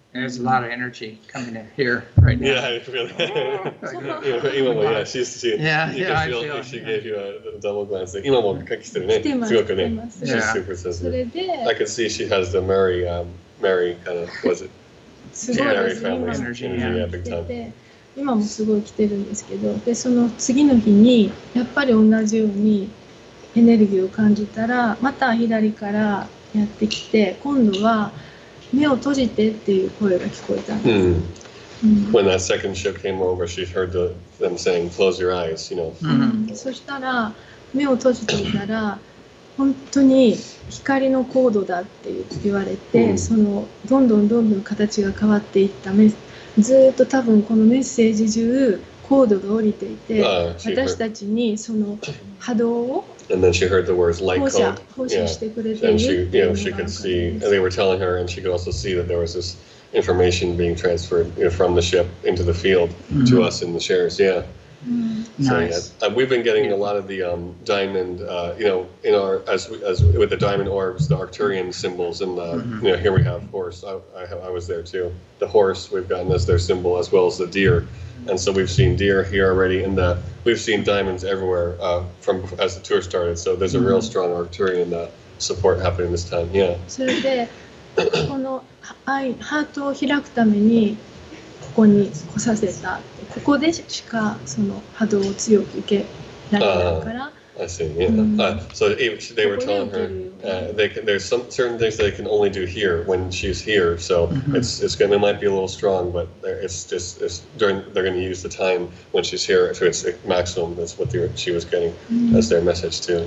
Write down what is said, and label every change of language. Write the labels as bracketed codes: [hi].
[en] There's a lot of energy coming in here right now. Yeah, really. [ja] Imamo, [en] yeah, she's she. Yeah, I feel. She gave you a double glance. [ja] Imamo, [en] she's still there. She's super sensitive. I can see she has the Mary, Mary kind of, was it? Mary family energy. Yeah, big time. [ja] 今もすごい来てるんですけど、でその次の日にやっぱり同じようにエネルギーを感じたら、また左からやってきて、今度は目を閉じてっていう声が聞こえたんです。 [en] When that second ship came over, she heard them saying, "Close your eyes." You know. [ja] そしたら目を閉じていたら本当に光のコードだって言われて、そのどんどんどんどん形が変わっていった。ずっと多分このメッセージ中コードが降りていて、私たちにその波動を。 [en] And then she heard the words light code. Yeah. And she, you know, she could see, and they were telling her, and she could also see that there was this information being transferred, you know, from the ship into the field to us in the shares. Yeah. Nice. So, yeah. We've been getting a lot of the diamond, you know, in our, as with the diamond orbs, the Arcturian symbols, and the, you know, here we have horse. I was there too. The horse we've gotten as their symbol, as well as the deer. And so we've seen deer here already, and we've seen diamonds everywhere from as the tour started. So there's a real strong Arcturian support happening this time. Yeah. So then, [ja] この愛ハートを開くためにここに来させた。ここでしかその波動を強く受けられないから。 [en] I see. Yeah. So they were telling her there's some certain things they can only do here when she's here. So it might be a little strong, but they're going to use the time when she's here to its maximum. That's what she was getting as their message too.